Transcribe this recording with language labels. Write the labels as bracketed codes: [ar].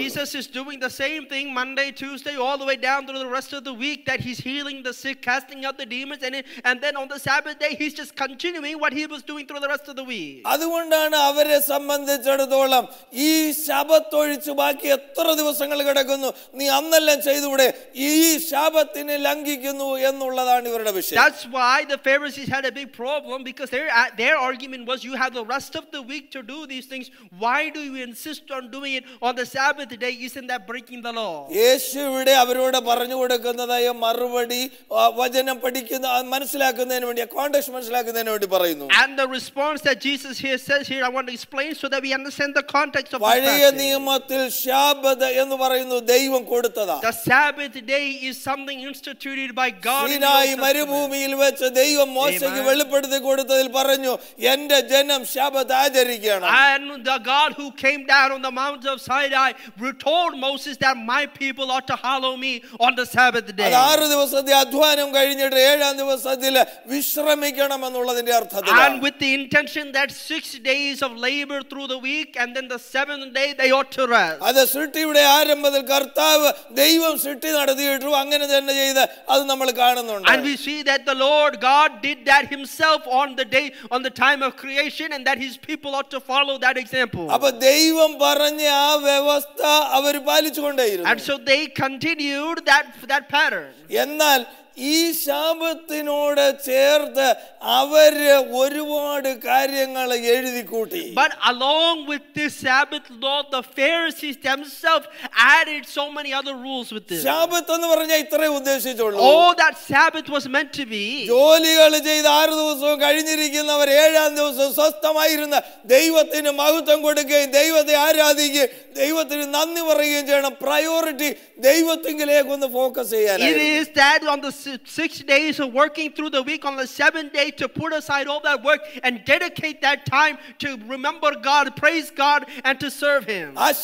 [en] Jesus is doing the same thing Monday, Tuesday, all the way down through the rest of the week that he's healing the sick, casting out the demons, and then on the Sabbath day he's just continuing what he was doing through the rest of the week. [ml] അതുകൊണ്ടാണ് അവരെ സംബന്ധിച്ചിടത്തോളം ഈ ശബത്ത് ഒഴിച്ചു ബാക്കി എത്ര ദിവസങ്ങൾ കിടക്കുന്നു, നീ അന്നെല്ലാം ചെയ്തുകൂടെ, ഈ ശബത്തിനെ ലംഘിക്കുന്നു എന്നുള്ളതാണ് ഇവരുടെ വിഷയം. [en] That's why the Pharisees had a big problem, because their argument was, you have the rest of the week to do these things, why do you insist on doing it on the Sabbath day? Isn't that breaking the law? [ml] യേശു ഇവിടെ അവരോട് പറഞ്ഞു കൊടുക്കുന്നതായ മറുപടി വചനം പഠിക്കുന്ന മനസ്സിലാക്കുന്നതിന് വേണ്ടി, context മനസ്സിലാക്കുന്നതിന് വേണ്ടി പറയുന്നു. [en] And the response that Jesus here says here, I want to explain so that we understand the context of [ml] പഴയ നിയമത്തിൽ ശബത്ത് എന്ന് പറയുന്നു ദൈവം കൊടുത്തതാ. [en] The Sabbath day is something instituted by God. [ml] സീനായി മരുഭൂമിയിൽ വെച്ച് ദൈവം മോശയ്ക്ക് വെളിപ്പെടുത്തി കൊടുത്തതിൽ പറഞ്ഞു എന്റെ ജനം ശബത്ത് ആചരിക്കണം. [en] And the God who came down sat on the mount of Sinai told Moses that my people ought to hallow me on the Sabbath day. [ml] ആറ് ദിവസത്തെ അധ്വാനം കഴിഞ്ഞിട്ട് ഏഴാം ദിവസത്തിൽ വിശ്രമിക്കണം എന്നുള്ളതിന്റെ അർത്ഥത്തിൽ. [en] And with the intention that 6 days of labor through the week and then the seventh day they ought to rest. [ml] അത് സൃഷ്ടിയുടെ ആരംഭത്തിൽ കർത്താവ് ദൈവം സൃഷ്ടി നടത്തിയിട്ടു അങ്ങനെ തന്നെ ചെയ്തു അത് നമ്മൾ കാണുന്നുണ്ട്. [en] And we see that the Lord God did that himself on the day on the time of creation and that his people ought to follow that example. [ml] അപ്പൊ ദൈവം പറഞ്ഞ ആ വ്യവസ്ഥ അവർ പാലിച്ചുകൊണ്ടേയിരുന്നു. [en] And so they continued that pattern. [ml] എന്നാൽ ഈ ശാപത്തിനോട് ചേർത്ത് അവര് ഒരുപാട് കാര്യങ്ങൾ എഴുതി കൂട്ടി. [en] But along with this Sabbath law, the Pharisees themselves added so many other rules with this. [ml] ശാപത്ത് എന്ന് പറഞ്ഞാൽ ഇത്രയേ ഉദ്ദേശിച്ചുള്ളൂ. [en] All that Sabbath was meant to be. [ml] ജോലികൾ ചെയ്ത് ആറ് ദിവസവും കഴിഞ്ഞിരിക്കുന്നവർ ഏഴാം ദിവസം സ്വസ്ഥമായിരുന്ന ദൈവത്തിന് മഹത്വം കൊടുക്കുകയും ദൈവത്തെ ആരാധിക്കുകയും ദൈവത്തിന് നന്ദി പറയുകയും ചെയ്യണം. പ്രയോറിറ്റി ദൈവത്തിങ്കിലേക്ക് ഒന്ന് ഫോക്കസ് ചെയ്യാനാണ്. [en] 6 days of working through the week on the seventh day to put aside all that work and dedicate that time to remember God, praise God, and to serve Him.